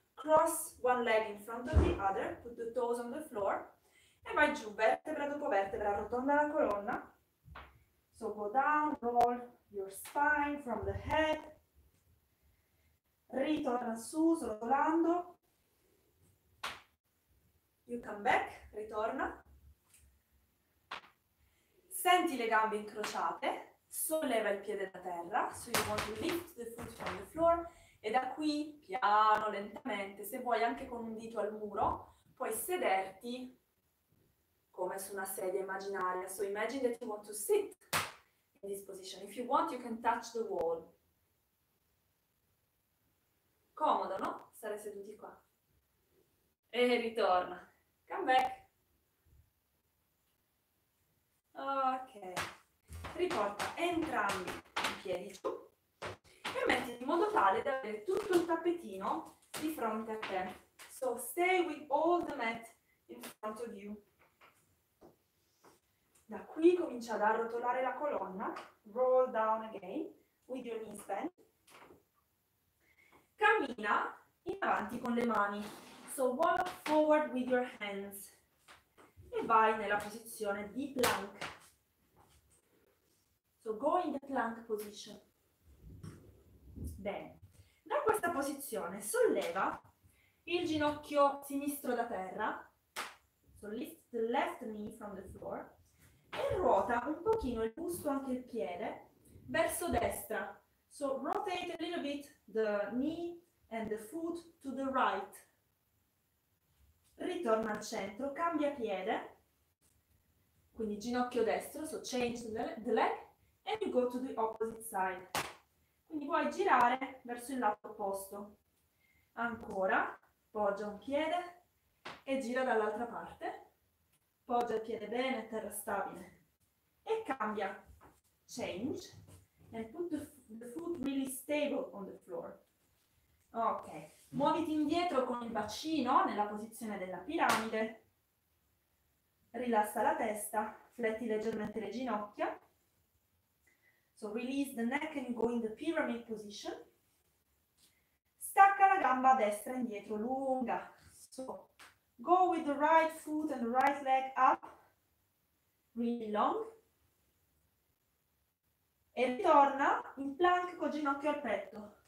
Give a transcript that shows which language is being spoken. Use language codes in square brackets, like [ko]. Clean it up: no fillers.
[en] Cross one leg in front of the other. Put the toes on the floor. [it] E vai giù, vertebra dopo vertebra, arrotonda la colonna. [en] So go down, roll your spine from the head. [it] Ritorna su, srotolando. [en] You come back, [it] ritorna. Senti le gambe incrociate, solleva il piede da terra. [en] So you want to lift the foot from the floor. [it] E da qui, piano, lentamente, se vuoi anche con un dito al muro, puoi sederti come su una sedia immaginaria. [en] So imagine that you want to sit in this position. If you want, you can touch the wall. [it] Comodo, no? Stare seduti qua. E ritorna. [en] Come back. [it] Ok. Riporta entrambi i piedi giù. E metti in modo tale da avere tutto il tappetino di fronte a te. [en] So stay with all the mat in front of you. [it] Da qui comincia ad arrotolare la colonna, [en] roll down again with your knees bent. [it] Cammina in avanti con le mani. [en] So walk forward with your hands. [it] E vai nella posizione di plank. [en] So go in the plank position. [it] Bene. Da questa posizione solleva il ginocchio sinistro da terra. [en] So lift the left knee from the floor. [it] E ruota un pochino il busto, anche il piede, verso destra. [en] So rotate a little bit the knee and the foot to the right. [it] Ritorna al centro, cambia piede, quindi ginocchio destro, [en] so change the leg, and you go to the opposite side. [it] Quindi puoi girare verso il lato opposto. Ancora, poggia un piede e gira dall'altra parte. Poggia il piede bene, terra stabile. E cambia, [en] change, and put the foot really stable on the floor. Ok. [it] Muoviti indietro con il bacino nella posizione della piramide. Rilassa la testa, fletti leggermente le ginocchia. [en] So release the neck and go in the pyramid position. [it] Stacca la gamba a destra indietro, lunga. [en] So go with the right foot and the right leg up. Really long. [it] E ritorna in plank con ginocchio al petto.